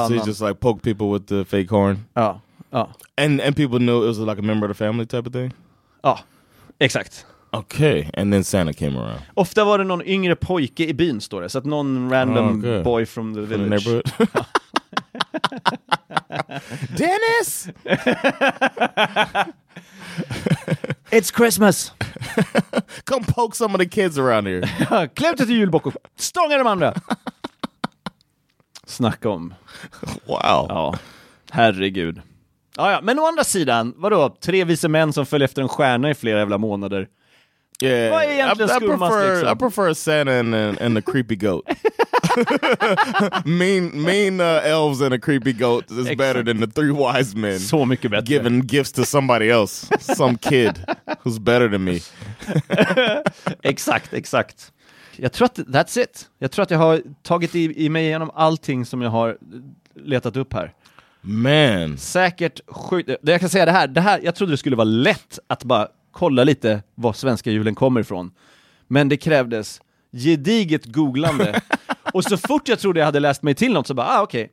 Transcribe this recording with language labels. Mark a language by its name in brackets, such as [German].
[English] Oh, so he just like poked people with the fake horn. [Swedish] Ja. [English] And people knew it was like a member of the family type of thing? [Swedish] Ja, exakt. [English] Okay, and then Santa came around. [Swedish] Ofta var det någon yngre pojke i byn, står det. Så att någon [English] random boy from the village. From the neighborhood. Dennis! It's Christmas. Come poke some of the kids around here. [Swedish] Klämt till julbock och stånga de andra. Snacka om. Wow. Ja. Herregud. Ja, men å andra sidan, vadå? Tre vise män som följer efter en stjärna i flera jävla månader. [English] Yeah. [Swedish] Vad är egentligen skummast liksom? [English] I prefer Santa and the creepy goat. mean elves and a creepy goat is exactly better than the three wise men. [Swedish] Så mycket bättre. [English] Giving gifts to somebody else, some kid who's better than me. [Swedish] Exakt. Jag tror att [English] that's it. [Swedish] Jag tror att jag har tagit i mig igenom allting som jag har letat upp här. [English] Man. [Swedish] Säkert sjukt. Jag kan säga det här, jag trodde det skulle vara lätt att bara kolla lite var svenska julen kommer ifrån. Men det krävdes gediget googlande. Och så fort jag trodde jag hade läst mig till något så bara, okej.